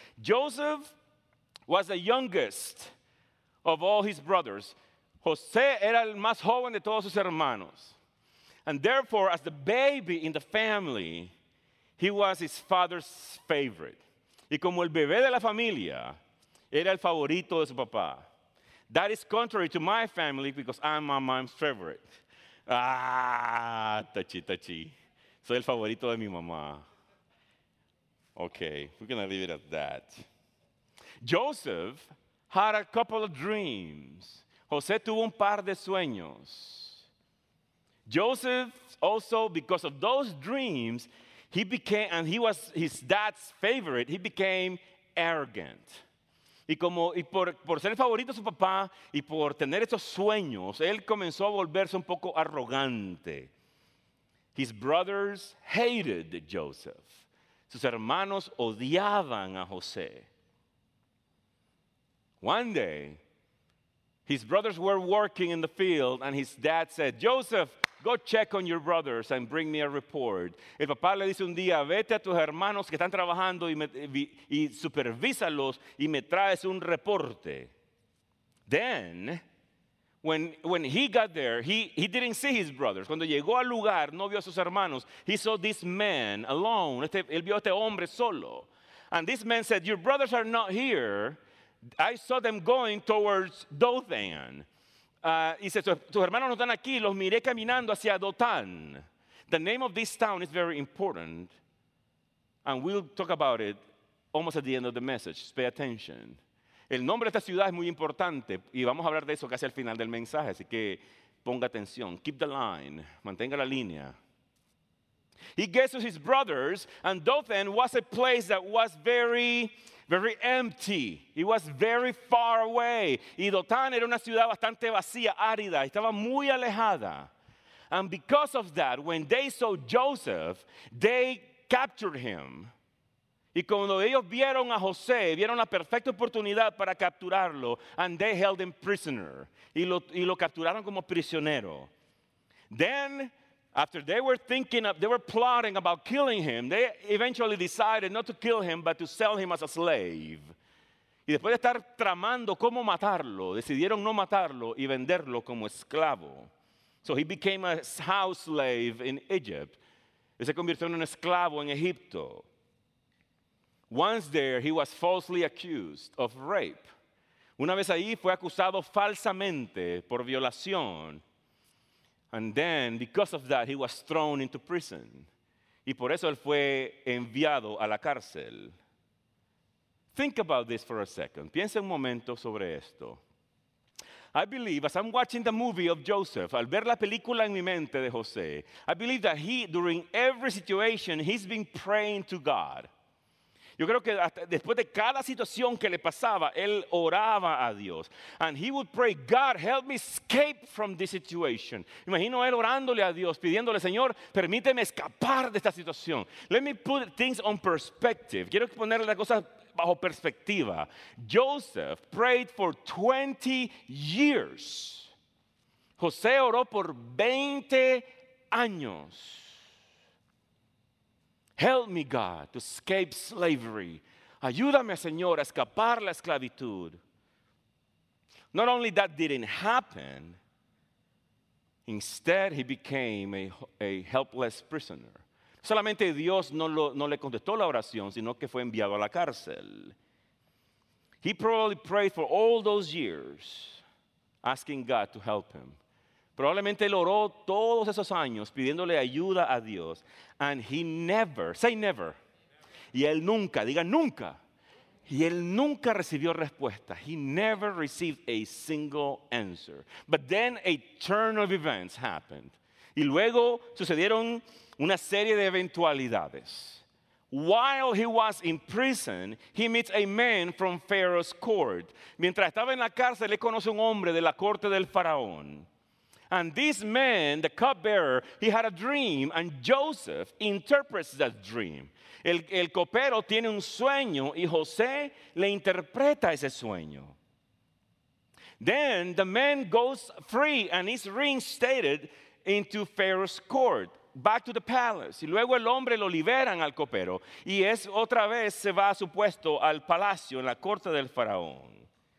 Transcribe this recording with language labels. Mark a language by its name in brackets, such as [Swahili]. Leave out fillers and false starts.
[English] Joseph was the youngest of all his brothers. [Spanish] José era el más joven de todos sus hermanos. [English] And therefore, as the baby in the family, he was his father's favorite. [Spanish] Y como el bebé de la familia, era el favorito de su papá. [English] That is contrary to my family because I'm my mom's favorite. Ah, touchy, touchy. [Spanish] Soy el favorito de mi mamá. [English] Okay, we're going to leave it at that. Joseph had a couple of dreams. [Spanish] José tuvo un par de sueños. [English] Joseph also, because of those dreams, he was his dad's favorite, he became arrogant. [Spanish] Y por ser el favorito de su papá y por tener esos sueños, él comenzó a volverse un poco arrogante. [English] His brothers hated Joseph. [Spanish] Sus hermanos odiaban a José. [English] One day, his brothers were working in the field and his dad said, Joseph, go check on your brothers and bring me a report. [Spanish] El papá le dice un día, vete a tus hermanos que están trabajando y supervísalos y me traes un reporte. [English] Then, when he got there, he didn't see his brothers. [Spanish] Cuando llegó al lugar, no vio a sus hermanos. [English] He saw this man alone. [Spanish] Él vio a este hombre solo. [English] And this man said, your brothers are not here. I saw them going towards Dothan. [Spanish] Dice, tus hermanos no están aquí, los miré caminando hacia Dothan. [English] The name of this town is very important, and we'll talk about it almost at the end of the message. Pay attention. [Spanish] El nombre de esta ciudad es muy importante, y vamos a hablar de eso casi al final del mensaje, así que ponga atención. [English] Keep the line, [Spanish] mantenga la línea. [English] He gets to his brothers, and Dothan was a place that was very... very empty. It was very far away. [Spanish] Y Dothan era una ciudad bastante vacía, árida. Estaba muy alejada. [English] And because of that, when they saw Joseph, they captured him. [Spanish] Y cuando ellos vieron a José, vieron la perfecta oportunidad para capturarlo, [English] and they held him prisoner. [Spanish] Y lo capturaron como prisionero. [English] Then, after they were plotting about killing him, they eventually decided not to kill him, but to sell him as a slave. [Spanish] Y después de estar tramando cómo matarlo, decidieron no matarlo y venderlo como esclavo. [English] So he became a house slave in Egypt. [Spanish] Y se convirtió en un esclavo en Egipto. [English] Once there, he was falsely accused of rape. [Spanish] Una vez ahí, fue acusado falsamente por violación. [English] And then, because of that, he was thrown into prison. [Spanish] Y por eso él fue enviado a la cárcel. [English] Think about this for a second. [Spanish] Piense un momento sobre esto. [English] I believe, as I'm watching the movie of Joseph, [Spanish] al ver la película en mi mente de José, [English] I believe that he, during every situation, he's been praying to God. [Spanish] Yo creo que hasta después de cada situación que le pasaba, él oraba a Dios. [English] And he would pray, God, help me escape from this situation. [Spanish] Imagino él orándole a Dios, pidiéndole, Señor, permíteme escapar de esta situación. [English] Let me put things on perspective. [Spanish] Quiero ponerle las cosas bajo perspectiva. [English] Joseph prayed for 20 years. [Spanish] José oró por 20 años. [English] Help me, God, to escape slavery. [Spanish] Ayúdame, Señor, a escapar la esclavitud. [English] Not only that didn't happen, instead he became a helpless prisoner. [Spanish] Solamente Dios no le contestó la oración, sino que fue enviado a la cárcel. [English] He probably prayed for all those years, asking God to help him. [Spanish] Probablemente él oró todos esos años pidiéndole ayuda a Dios. [English] And he never, say never. [Spanish] Y él nunca, diga nunca. Y él nunca recibió respuesta. [English] He never received a single answer. But then a turn of events happened. [Spanish] Y luego sucedieron una serie de eventualidades. [English] While he was in prison, he meets a man from Pharaoh's court. [Spanish] Mientras estaba en la cárcel, él conoce un hombre de la corte del faraón. [English] And this man, the cupbearer, he had a dream, and Joseph interprets that dream. [Spanish] El copero tiene un sueño, y José le interpreta ese sueño. [English] Then the man goes free, and is reinstated into Pharaoh's court, back to the palace. [Spanish] Y luego el hombre lo liberan al copero, y es otra vez se va a su puesto al palacio, en la corte del faraón.